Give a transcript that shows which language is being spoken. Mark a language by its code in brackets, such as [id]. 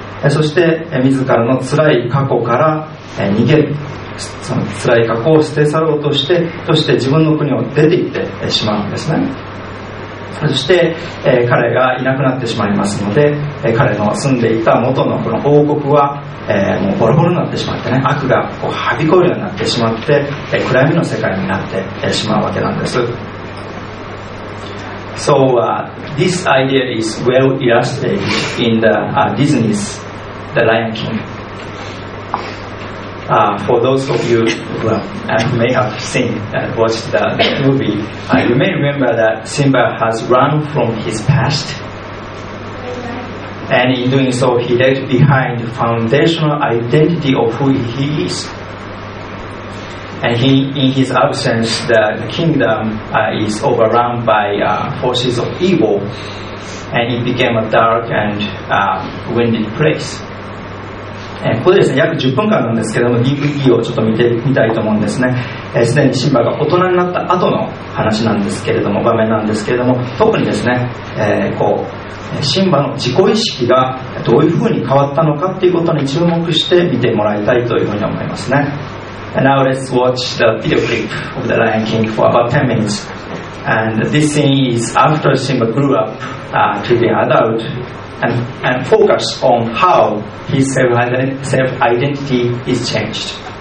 [ja] そして自らの辛い過去から逃げる、その辛い過去を捨て去ろうとして、そして自分の国を出て行ってしまうんですね。そして彼がいなくなってしまいますので、彼の住んでいた元のこの王国はもうボロボロになってしまってね、悪がこうはびこるようになってしまって、暗闇の世界になってしまうわけなんです。 [en] So this idea is well illustrated in the Disney's The Lion King. For those of you who may have seen and watched the movie, you may remember that Simba has run from his past, and in doing so, he left behind the foundational identity of who he is. And he, in his absence, the kingdom is overrun by forces of evil, and it became a dark and windy place. And [ja] ここでですね、約10分間なんですけども、DVD をちょっと見てみたいと思うんですね。すでにシンバが大人になった後の話なんですけれども、場面なんですけれども、特にですね、こう、シンバの自己意識がどういうふうに変わったのかっていうことに注目して見てもらいたいというふうに思いますね。 [en] And now let's watch the video clip of the Lion King for about 10 minutes. And this scene is after Simba grew up to be an adult and focus on how his self-identity is changed.